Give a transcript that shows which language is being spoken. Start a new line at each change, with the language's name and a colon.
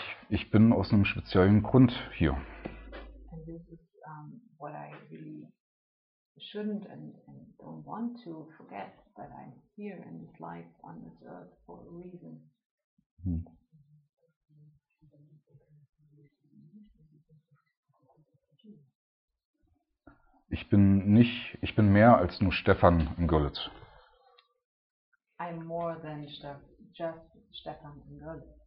German: Ich bin aus einem speziellen Grund hier.
English: And this is what I really shouldn't and don't want to forget, that I'm here in this life on this earth for a reason.
German: Ich bin mehr als nur Stefan in Görlitz.
English: I'm more than just Stefan in Görlitz.